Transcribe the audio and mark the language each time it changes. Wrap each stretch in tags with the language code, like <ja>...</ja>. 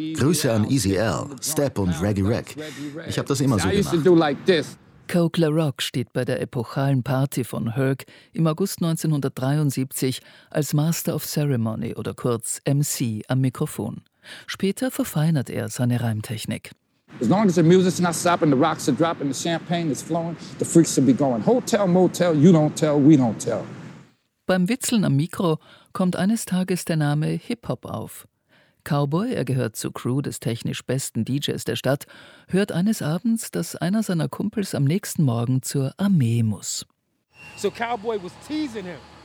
<de>Grüße an Easy L, Step und Reggie Rack. Ich habe das immer so gemacht. Coke LaRock steht bei der epochalen Party von Herc im August 1973 als Master of Ceremony oder kurz MC am Mikrofon. Später verfeinert er seine Reimtechnik.</de> <en>As long as the music's not stopping, the rocks are dropping, the champagne is flowing, the freaks will be going. Hotel, motel, you don't tell, we don't tell.</en> <de>Beim Witzeln am Mikro kommt eines Tages der Name Hip-Hop auf. Cowboy, er gehört zur Crew des technisch besten DJs der Stadt, hört eines Abends, dass einer seiner Kumpels am nächsten Morgen zur Armee muss.</de> <en>So Cowboy was teasing him.</en>